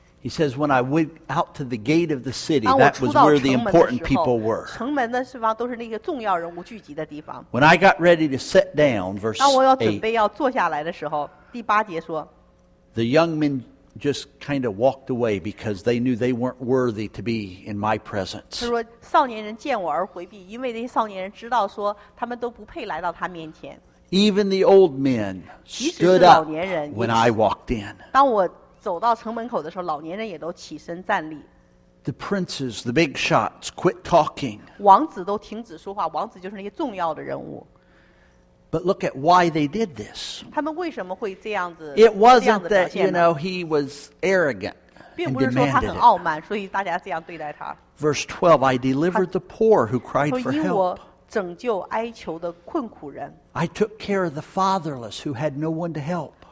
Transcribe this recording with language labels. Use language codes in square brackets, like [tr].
[en] He says, when I went out to the gate of the city, that was where the important people were. [zh] 城门的地方都是那些重要人物聚集的地方。 [en] When I got ready to sit down, verse 8. [zh] 当我要准备要坐下来的时候, 第八节说, [en] the young men just kind of walked away because they knew they weren't worthy to be in my presence. [zh] 他说少年人见我而回避，因为那些少年人知道说他们都不配来到他面前。 [en] Even the old men stood up when I walked in. [zh] 当我走到城门口的时候，老年人也都起身站立。 [en] The princes, the big shots, quit talking. [zh] 王子都停止说话，王子就是那些重要的人物。 [en] But look at why they did this. [zh] 他们为什么会这样子, [en] it wasn't that, you know, he was arrogant and demanded it. Verse 12, I delivered the poor who cried for help. I took care of the fatherless who had no one to help.